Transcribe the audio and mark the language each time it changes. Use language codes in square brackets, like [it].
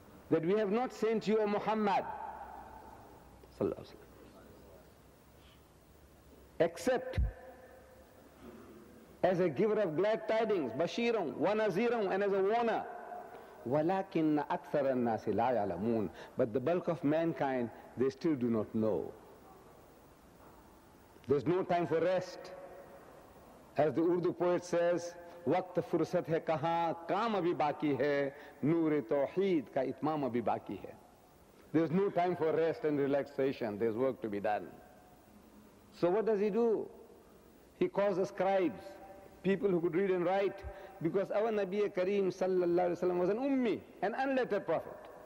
[en] That we have not sent you, O Muhammad, except as a giver of glad tidings, [ar] بَشِيرًا وَنَزِيرًا, [en] and as a warner. [ar] وَلَكِنَّ أَكْثَرَ النَّاسِ لَا يَعْلَمُونَ. [en] But the bulk of mankind, they still do not know. There's no time for rest. As the Urdu poet says, [ur] وقت فرصت ہے کہاں کام ابھی باقی ہے نور توحید کا اتمام ابھی باقی ہے. [en] There's no time for rest and relaxation. There's work to be done. So what does he do? He calls the scribes, people who could read and write, because our Nabi Kareem sallallahu alaihi wasallam was an ummi, an unlettered prophet.